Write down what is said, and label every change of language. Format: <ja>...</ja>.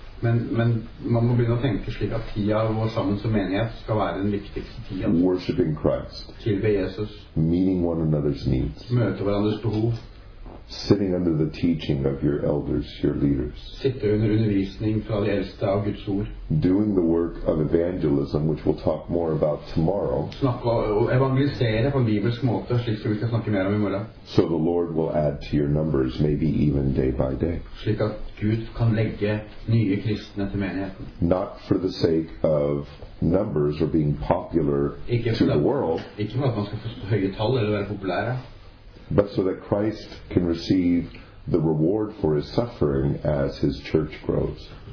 <no>Men man må begynne å tenke slik at tida vår sammen som menighet skal være den viktigste tida.</no> <en>Worshiping Christ.</en> <no>Tilbe Jesus.</no> <en>Meeting one another's needs.</en> <no>Møte hverandres behov.</no> <en>Sitting under the teaching of your elders, your leaders.</en> <no>Sitte under undervisning fra de eldste av Guds ord.</no> <en>Doing the work of evangelism, which we'll talk more about tomorrow.</en> <no>Snakke og evangelisere på en bibelsk måte, slik som vi skal snakke mer om i morgen.</no> <en>So the Lord will add to your numbers, maybe even day by day.</en> <no>Slik at Gud kan legge nye kristne til menigheten.</no> <en>Not for the sake of numbers or being popular to the world.</en> <no>Ikke for at man skal få høye tall eller være populære.</no> <en>But so that Christ can receive the reward for his suffering as his church grows.</en>